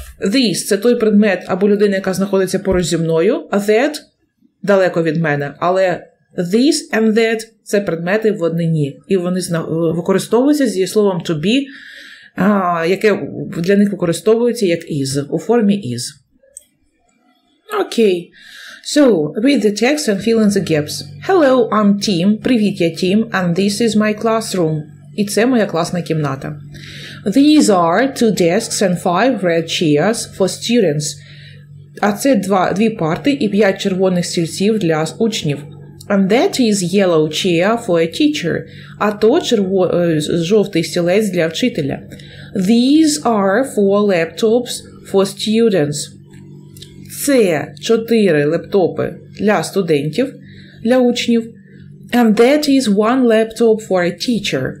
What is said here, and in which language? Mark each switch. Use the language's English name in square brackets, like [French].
[Ukrainian] This – це той предмет або людина, яка знаходиться поруч зі мною. А that – далеко від мене. Але this and that – це предмети в однині. І вони використовуються зі словом to be – яке для них використовується як is, у формі is. Окей. [English] So, read the text and fill in the gaps. Hello, I'm Tim. [Ukrainian] Привіт, я [English] Tim. And this is my classroom. [Ukrainian] І це моя класна кімната. [English] These are two desks and five red chairs for students. [Ukrainian] А це дві парти і п'ять червоних стільців для учнів. [English] And that is yellow chair for a teacher. [Ukrainian] А то жовтий стілець для вчителя. [English] These are four laptops for students. [Ukrainian] Це чотири лептопи для студентів, для учнів. [English] And that is one laptop for a teacher.